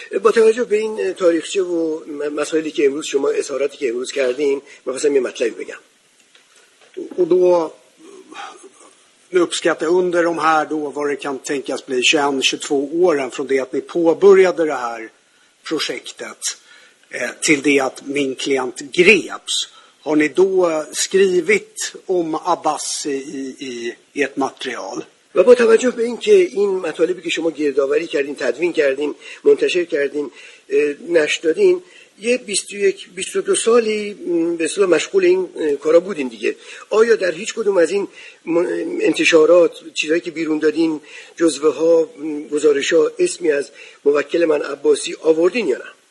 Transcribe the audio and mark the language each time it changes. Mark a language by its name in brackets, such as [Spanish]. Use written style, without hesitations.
[Persian] با توجه به این تاریخچه و مسائلی که امروز شما اظهاراتی که امروز کردین، من خواستم یه مطلبی بگم. [Swedish] و دو uppskatta under de här då vad det kan tänkas bli 21-22 åren från det att ni påbörjade det här projektet till det att min klient greps. Har ni då skrivit om Abbas i ert material? [Persian] و با توجه به این که این مطالبی که شما گردآوری کردین، تدوین کردین، منتشر کردین، نشر دادین، یه 21-22 سالی به اصطلاح مشغول این کارا بودین دیگه. آیا در هیچ کدوم از این انتشارات، چیزایی که بیرون دادین، جزوه ها، گزارش ها، اسمی از موکل من عباسی آوردین یا نه؟